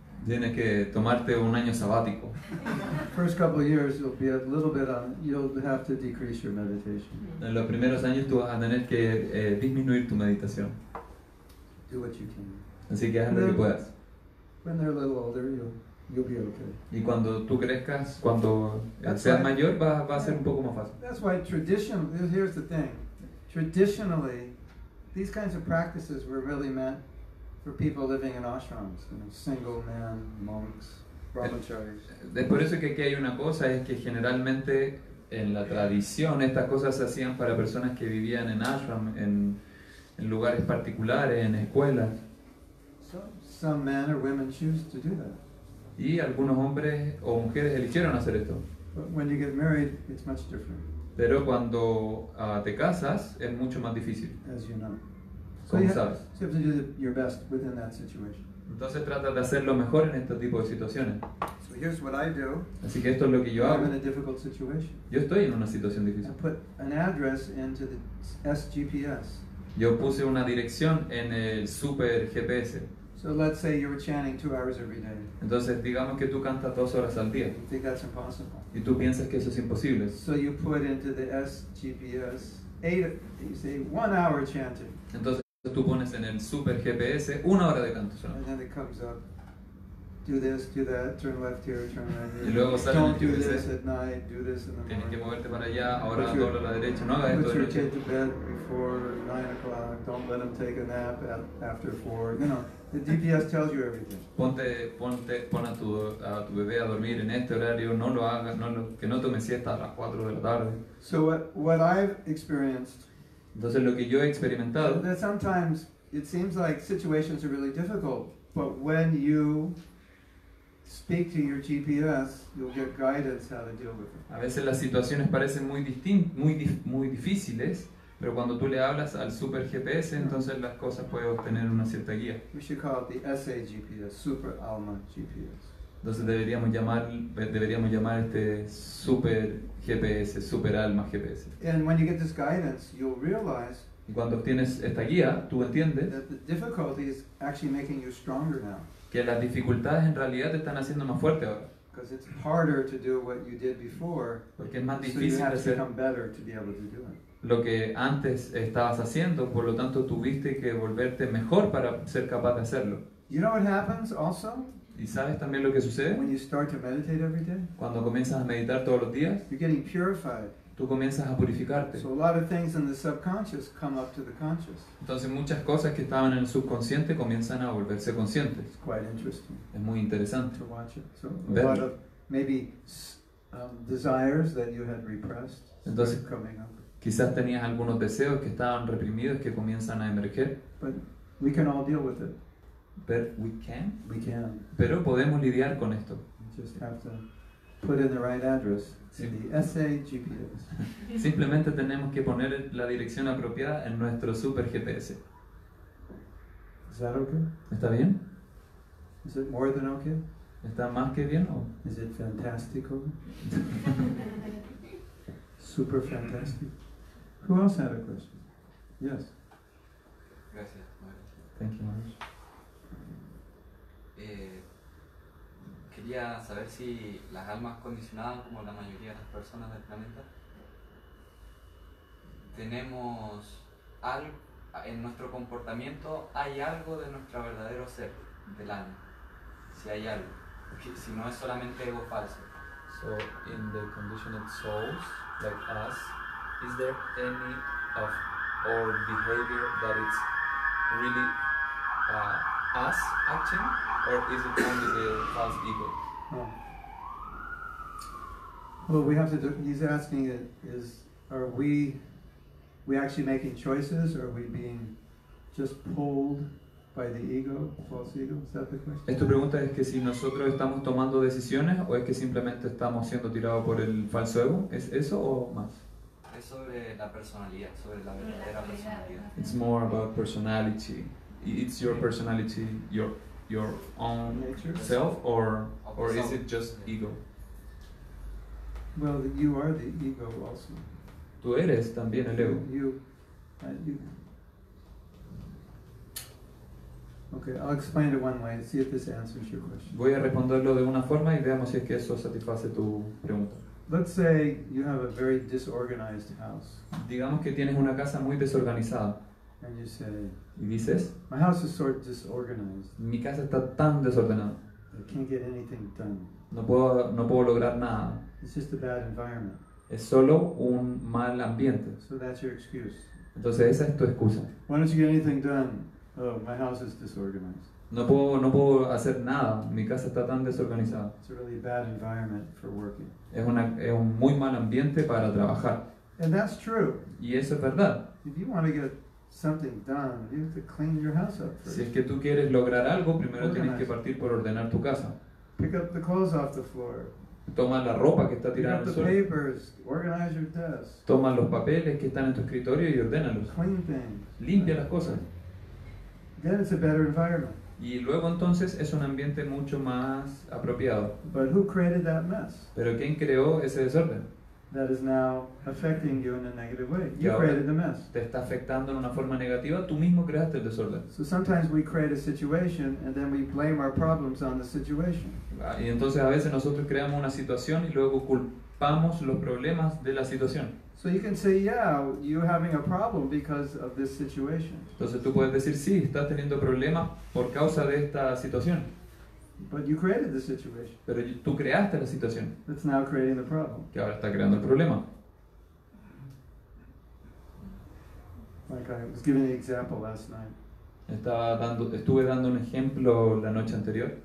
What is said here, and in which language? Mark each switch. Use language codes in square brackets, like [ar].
[es] Tienes que tomarte un año sabático. [en] First couple of years you'll be a little bit on, you'll have to decrease your meditation. [es] En los primeros años tú vas a tener que disminuir tu meditación. [en] Do what you can. [es] Así que haz lo que puedas. [en] When they're a little older, you'll be okay. [es] Y cuando tú crezcas, cuando seas mayor, va a ser un poco más fácil. [en] That's why here's the thing. Traditionally, these kinds of practices were really meant for people living in ashrams, you know, single men, monks, brahmacharis. [es] Es por eso que aquí hay una cosa, es que generalmente en la tradición estas cosas se hacían para personas que vivían en ashram, en lugares particulares, en escuelas. [en] Some men or women choose to do that. [es] Y algunos hombres o mujeres eligieron hacer esto. [en] But when you get married, it's much different. [es] Pero cuando te casas, es mucho más difícil. [en] As you know. [es] ¿Cómo sabes? [en] So you have to do your best within that situation. [es] Entonces trata de hacer lo mejor en este tipo de situaciones. [en] So here's what I do. [es] Así que esto es lo que yo hago. [en] I'm in a difficult situation. [es] Yo estoy en una situación difícil. [en] I put an address into the SGPS. [es] Yo puse una dirección en el super GPS. [en] So let's say you're chanting 2 hours every day. [es] Entonces digamos que tú cantas 2 horas al día. [en] You think that's impossible. [es] Y tú piensas que eso es imposible. [en] So you put into the SGPS 1 hour chanting. [es] Entonces tú pones en el super GPS 1 hora de canto. [en] And then it comes up. Do this, do that, turn left here, turn right here. [es] Y luego sale [en] don't [es] en el GPS. [en] Do this at night, do this in the [es] tienes que moverte para allá, ahora dobla a la derecha, no hagas esto. [en] Put your kid to bed before 9 o'clock. Don't let him take a nap after 4. You know, the GPS tells you everything. [es] Pon a tu bebé a dormir en este horario. No lo hagas, que no tome siesta a las 4 de la tarde. [en] So what I've experienced. [es] Entonces lo que yo he experimentado. [en] That sometimes it seems like situations are really difficult, but when you speak to your GPS, you'll get guidance how to deal with it. [es] A veces las situaciones parecen muy difíciles, pero cuando tú le hablas al super GPS, entonces las cosas pueden obtener una cierta guía. [en] We should call it the SA GPS, Super Alma GPS. [es] Entonces deberíamos llamar este super GPS, super alma GPS. [en] And when you get this guidance, you'll realize. [es] Y cuando obtienes esta guía, tú entiendes. [en] That the difficulty is actually making you stronger now. [es] Que las dificultades en realidad te están haciendo más fuerte ahora. [en] Because it's harder to do what you did before. [es] Porque es más difícil hacer. [en] So you have to become better to be able to do it. [es] Lo que antes estabas haciendo, por lo tanto tuviste que volverte mejor para ser capaz de hacerlo. [en] You know what happens also. [es] ¿Y sabes también lo que sucede? [en] When you start to meditate every day, [es] cuando comienzas a meditar todos los días, [en] you're getting purified. [es] Tú comienzas a purificarte. [en] So a lot of things in the subconscious come up to the conscious. [es] Entonces muchas cosas que estaban en el subconsciente comienzan a volverse conscientes. [en] It's quite interesting. [es] Es muy interesante. [en] To watch it. So a lot of maybe desires that you had repressed. [es] Entonces, [en] start coming up. [es] Quizás tenías algunos deseos que estaban reprimidos que comienzan a emerger. [en] But we can all deal with it. But we can. We can. [es] Pero podemos lidiar con esto. [en] Just have to put in the right address. [es] Sí. [en] In the SA GPS. [es] Simplemente tenemos que poner la dirección apropiada en nuestro super GPS. [en] Is that okay? [es] ¿Está bien? [en] Is it more than okay? [es] ¿Está más que bien o? [en] Is it fantastical? Super fantastic. Who else had a question? Yes. [es] Gracias, Mario. [en] Thank you, Mario. [es] Quería saber si las almas condicionadas, como la mayoría de las personas del planeta, tenemos algo, en nuestro comportamiento hay algo de nuestro verdadero ser, del alma, si hay algo, si no es solamente ego falso. [en] So, in the conditioned souls, like us, is there any of our behavior that it's really us acting? Or is it only the false ego? Oh. Well, we have to do, he's asking it, is, are we actually making choices, or are we being just pulled By the ego, false ego, is that the question? [es] ¿Es tu pregunta es que si nosotros estamos tomando decisiones o es que simplemente estamos siendo tirados por el falso ego? ¿Es eso o más? Es sobre la personalidad, sobre la verdadera personalidad. [en] It's more about personality. It's your personality, your own nature? Self, or is it just ego? Well, you are the ego also. [es] Tú eres también el ego. [en] You. Okay, I'll explain it one way and see if this answers your question. [es] Voy a responderlo de una forma y veamos si es que eso satisface tu pregunta. [en] Let's say you have a very disorganized house. [es] Digamos que tienes una casa muy desorganizada. [en] And you say, [es] y dices, [en] my house is sort of disorganized. [es] Mi casa está tan desordenada. [en] I can't get anything done. [es] No puedo lograr nada. [en] It's just a bad environment. [es] Es solo un mal ambiente. [en] So that's your excuse. [es] Entonces esa es tu excusa. [en] Why don't you get anything done? Oh, my house is disorganized. [es] No puedo hacer nada. Mi casa está tan desorganizada. [en] It's a really bad environment for working. [es] Es un muy mal ambiente para trabajar. [en] And that's true. [es] Y eso es verdad. [en] If you want to get something done, you have to clean your house up first. [es] Si es que tú quieres lograr algo, primero tienes que partir por ordenar tu casa. [en] Pick up the clothes off the floor. [es] Toma la ropa que está tirada en el suelo. [en] Pick up the papers, organize your desk. [es] Toma los papeles que están en tu escritorio y ordénalos. [en] Clean things. [es] Limpia las cosas. [en] Then it's a better environment. [es] Y luego entonces es un ambiente mucho más apropiado. [en] But who created that mess? [es] Pero ¿quién creó ese desorden? [en] That is now affecting you in a negative way. You created the mess. [es] Te está afectando en una forma negativa. Tú mismo creaste el desorden. [en] So sometimes we create a situation and then we blame our problems on the situation. [es] Y entonces a veces nosotros creamos una situación y luego culpamos los problemas de la situación. [en] So you can say, yeah, you're having a problem because of this situation. [es] Entonces tú puedes decir, sí, estás teniendo problemas por causa de esta situación. [en] But you created the situation. [es] Pero tú creaste la situación. [en] It's now creating the problem. [es] Que ahora está creando el problema. [en] Like I was giving an example last night. [es] Estuve dando un ejemplo la noche anterior.